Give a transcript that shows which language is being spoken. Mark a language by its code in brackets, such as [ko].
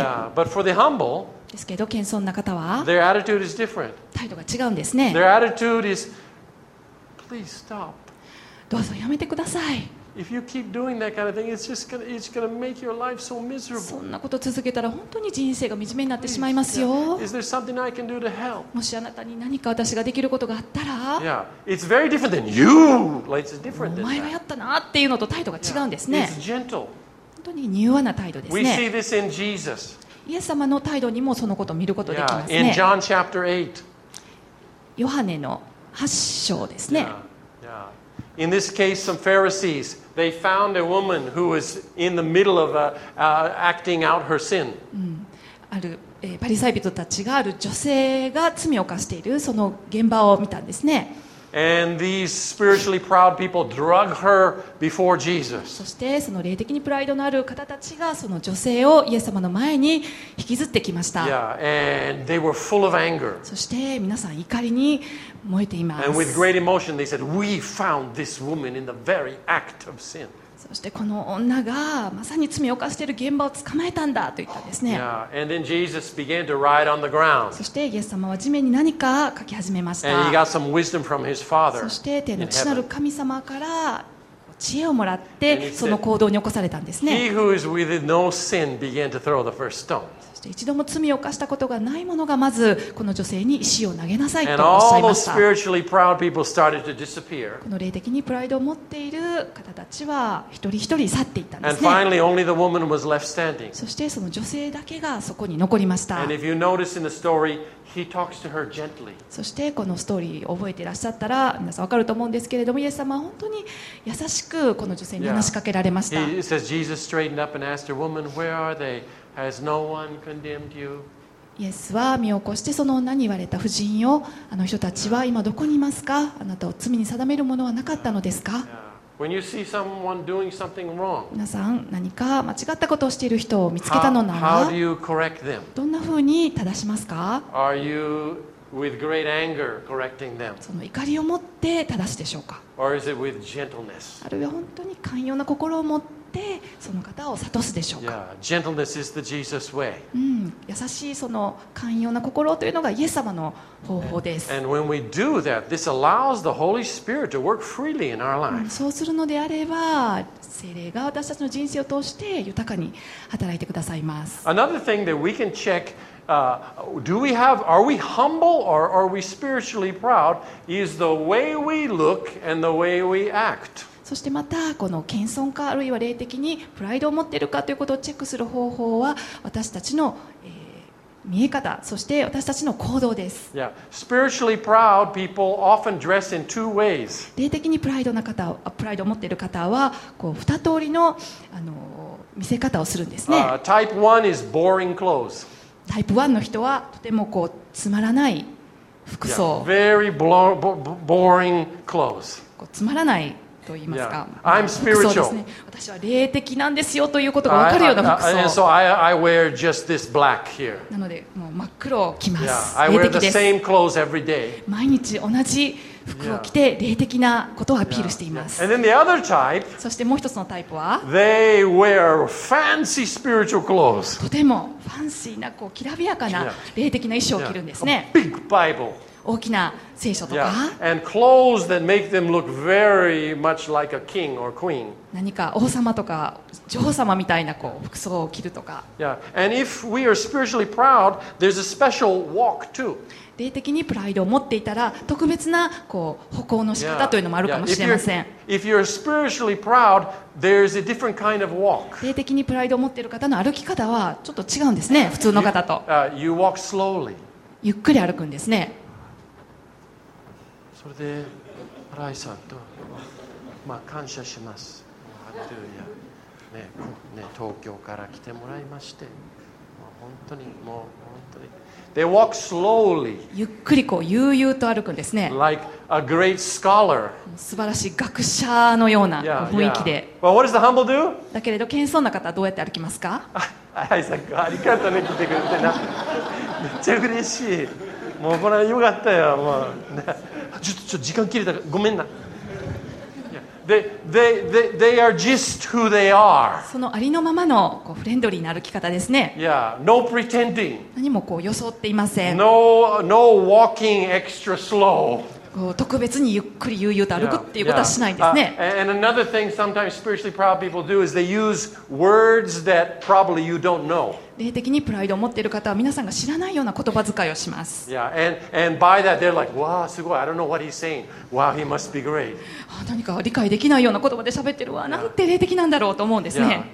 [en] Yeah, but for the humble, [ja] ですけど謙遜な方は、 [en] their attitude is different. [ja] 態度が違うんですね。 [en] Their attitude is, please stop. [ja] どうぞやめてください。 [en] If you keep doing that kind of thing, it's gonna make your life so miserable. [ja] そんなこと続けたら本当に人生が惨めになってしまいますよ。 [en] Yeah. Is there something I can do to help? [ja] もしあなたに何か私ができることがあったら、 [en] Yeah, it's very different than you. Like it's different than [ja] that. お前がやったなっていうのと態度が違うんですね。 [en] Yeah. It's gentle. [ja] 本当に柔和な態度ですね。 [en] We see this in Jesus. [ja] イエス様の態度にもそのことを見ることができますね。 [en] Yeah. In John chapter 8. [ja] ヨハネの8章ですね。 [en] Yeah. Yeah. In this case, some Pharisees, they found a woman who was in the middle of acting out her sin. [ja] あるパリサイ人たちがある女性が罪を犯しているその現場を見たんですね。 [en] And these spiritually proud people drug her before Jesus. [ja] そしてその霊的にプライドのある方たちがその女性をイエス様の前に引きずってきました。 [en] Yeah, and they were full of anger. [ja] そして皆さん怒りに燃えています。 [en] And with great emotion they said, "We found this woman in the very act of sin." [ja] そしてこの女がまさに罪を犯している現場を捕まえたんだと言ったんですね。 [en] Yeah, and then Jesus began to write on the ground. [ja] そしてイエス様は地面に何か書き始めました。 [en] And he got some wisdom from his father. [ja] そして天の父なる神様から知恵をもらってその行動に起こされたんですね。 [en] He who is with no sin began to throw the first stone. [ja] そして一度も罪を犯したことがないものがまずこの女性に石を投げなさいとおっしゃいました。 [en] And all the spiritually proud people started to disappear. [ja] この霊的にプライドを持っている方たちは一人一人去っていったんですね。 [en] And finally, only the woman was left standing. [ja] そしてその女性だけがそこに残りました。 [en] And if you notice in the story,He talks to her gently. [ja] そしてこのストーリーを覚えていらっしゃったら皆さん分かると思うんですけれどもイエス様は本当に優しくこの女性に話しかけられました。 [en] Yeah. He says, Jesus straightened up and asked her, Woman, where are they? Has no one condemned you? [ja] イエスは身を起こしてその女に言われた婦人よあの人たちは今どこにいますか？あなたを罪に定めるものはなかったのですか？ [en] Yeah. When you see someone doing something wrong, [ja] 皆さん何か間違ったことをしている人を見つけたのなら [en] how do you correct them? [ja] どのように正しますか？ [en] Are you with great anger correcting them? [ja] その怒りを持って正すでしょうか？ [en] Or is it with gentleness? [ja] あるいは本当に寛容な心を持ってその方を諭すでしょうか？ [en] Yeah, gentleness is the Jesus way. [ja] 優しいその寛容な心というのがイエス様の方法です。 [en] And when we do that, this allows the Holy Spirit to work freely in our life. [ja] そうするのであれば聖霊が私たちの人生を通して豊かに働いてくださいます。 [en] Another thing that we can check, do we have, are we humble or are we spiritually proud, is the way we look and the way we act. [ja] そしてまたこの謙遜かあるいは霊的にプライドを持っているかということをチェックする方法は私たちの、見え方そして私たちの行動です。 [en] Yeah. Spiritually proud people often dress in two ways. [ja] 霊的にプライドな方、プライドを持っている方はこう二通りの、見せ方をするんですね。 [en] Type 1 is boring clothes. [ja] タイプ1の人はとてもこうつまらない服装。 [en] Yeah. Very boring clothes. [ja] こうつまらないと言いますか。 [en] Yeah. I'm spiritual. [ja] 服装ですね。私は霊的なんですよということが分かるような服装。 [en] And so I wear just this black here. [ja] なのでもう真っ黒を着ます。 [en] Yeah. I wear the same clothes every day. [ja] 毎日同じ服を着て霊的なことをアピールしています。 [en] Yeah. And then the other type, [ja] そしてもう一つのタイプは [en] They wear fancy spiritual clothes. [ja] とてもファンシーなこうきらびやかな霊的な衣装を着るんですね。 [en] A big Bible. [ja] 大きな聖書とか、 [en] yeah. And clothes that make them look very much like a king or queen. [ja] 何か王様とか女王様みたいなこう服装を着るとか。 [en] Yeah. And if we are spiritually proud, there's a special walk too. [ja] 霊的にプライドを持っていたら特別なこう歩行の仕方というのもあるかもしれません。 [en] Yeah. If you're spiritually proud, there's a different kind of walk. [ja] 霊的にプライドを持っている方の歩き方はちょっと違うんですね、普通の方と。 [en] You walk slowly. [ja] ゆっくり歩くんですね。それで新井さんと、まあ、感謝します。ハレルヤ、ねね、東京から来てもらいまして、まあ、本当にもう本当に [en] They walk slowly. [ja] ゆっくりこう悠々と歩くんですね。 [en] Like a great scholar. [ja] 素晴らしい学者のような雰囲気で。 [en] Yeah, yeah. Well, what does the humble do? [ja] だけれど謙遜な方はどうやって歩きますか？新井さんありがとうね、来てくれてな。めっちゃ嬉しい。もうこれはよかったよ、もうね。ちょっと時間切れたからごめんな。 [en] They are just who they are. [ja] そのありのままのこうフレンドリーな歩き方ですね。 [en] Yeah, no pretending. [ja] 何もこう装っていません。 [en] No walking extra slow. [ja] こう特別にゆっくり悠々と歩くっていうことはしないんですね。 [en] And another thing sometimes spiritually proud people do is they use words that probably you don't know. [ja] 霊的にプライドを持っている方は皆さんが知らないような言葉遣いをします。 [en] Yeah, and by that they're like, wow, すごい。I don't know what he's saying. Wow, he must be great. [ja] 何か理解できないような言葉で喋ってるわ。なんて霊的なんだろうと思うんですね。